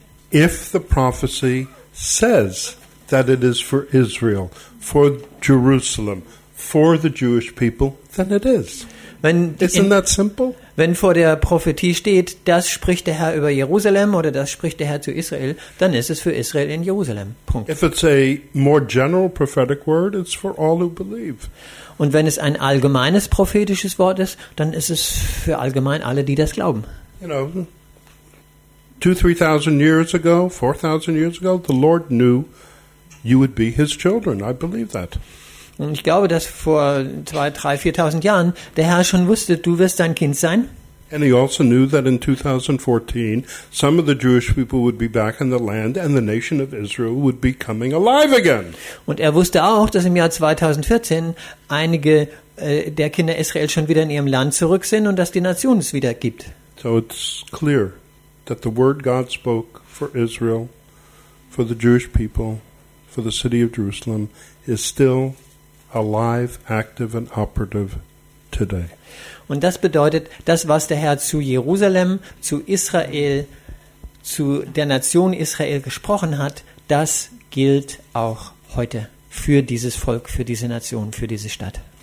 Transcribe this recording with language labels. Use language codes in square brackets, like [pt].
[en] If the prophecy says that it is for Israel, for Jerusalem, for the Jewish people, then it is. Isn't that simple? [de] Wenn vor der Prophetie steht, das spricht der Herr über Jerusalem oder das spricht der Herr zu Israel, dann ist es für Israel in Jerusalem. Punkt. [en] If it's a more general prophetic word, it's for all who believe. [de] Und wenn es ein allgemeines prophetisches Wort ist, dann ist es für allgemein alle, die das glauben. [en] You know, 2,000-3,000 years ago, 4,000 years ago, the Lord knew you would be his children. I believe that. [de] Und ich glaube, dass vor 2,000-4,000 Jahren der Herr schon wusste, du wirst sein Kind sein. [en] And he also knew that in 2014 some of the Jewish people would be back in the land and the nation of Israel would be coming alive again. [de] Und er wusste auch, dass im Jahr 2014 einige der Kinder Israel schon wieder in ihrem Land zurück sind und dass die Nation es wieder gibt. [en] So it's clear that the word God spoke for Israel, for the Jewish people, for the city of Jerusalem is still alive, active and operative today. [de] Und das bedeutet, das, was der Herr zu Jerusalem, zu Israel, zu der Nation Israel gesprochen hat, das gilt auch heute für dieses Volk, für diese Nation, für diese Stadt.